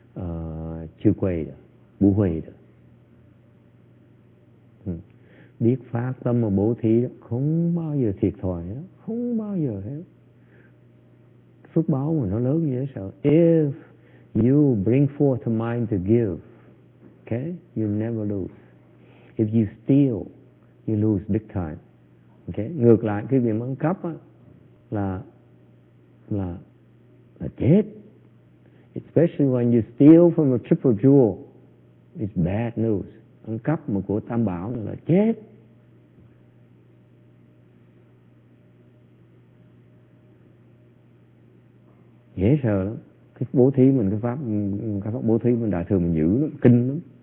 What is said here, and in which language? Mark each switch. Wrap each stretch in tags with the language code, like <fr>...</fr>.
<zh>我说这个是真是大声的布施的法门，你布施的时候，你不会，你不会，不会，吃亏的，不会的。</zh> <vi>Biết phát tâm mà bố thí không bao giờ thiệt thòi, không bao giờ hết. Phước báo mà nó lớn như thế sao?</vi> <en>If you bring forth a mind to give, okay, you never lose. If you steal, you lose big time. Okay.</en> <vi>Ngược lại, cái việc ăn cắp á, là chết.</vi> <en>Especially when you steal from a triple jewel, it's bad news.</en> <vi>Ăn cắp mà của Tam Bảo là chết. Dễ sợ lắm. Cái bố thí mình, cái pháp bố thí mình đại thừa mình giữ lắm, kinh lắm.</vi>